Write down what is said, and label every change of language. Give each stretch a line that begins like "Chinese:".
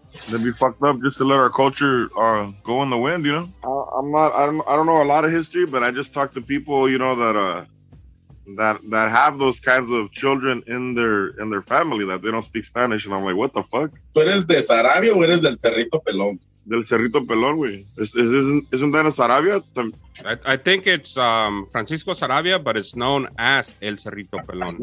English: They'd be fucked up just to let our culture go in the wind, you know? I don't know a lot of history, but I just talk to people, you know, that have those kinds of children in their family that they don't speak Spanish. And I'm like, what the fuck?
Spanish: ¿Tú eres de Sarabia o eres del Cerrito Pelón? Del Cerrito Pelón, güey.
English: Isn't that a Sarabia? I think it's Francisco Sarabia, but it's known as El Cerrito Pelón.